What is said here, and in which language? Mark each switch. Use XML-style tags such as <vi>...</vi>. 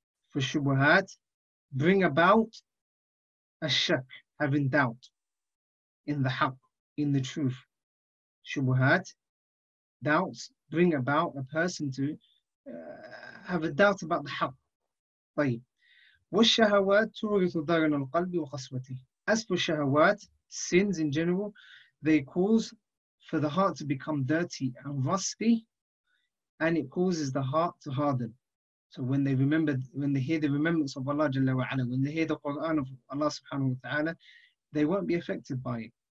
<en>For shubuhat, bring about a shak, having doubt in the haqq, in the truth. Shubuhat, doubts, bring about a person to have a doubt about the haqq.</en> <ar>طيب. والشهوات تورث ضرر القلب وقسوته.</ar> <en>As for shahawat, sins in general, they cause for the heart to become dirty and rusty, and it causes the heart to harden. So when they remember, when they hear the remembrance of Allah Jalla wa'ala, when they hear the Quran of Allah subhanahu wa ta'ala, they won't be affected by it.</en>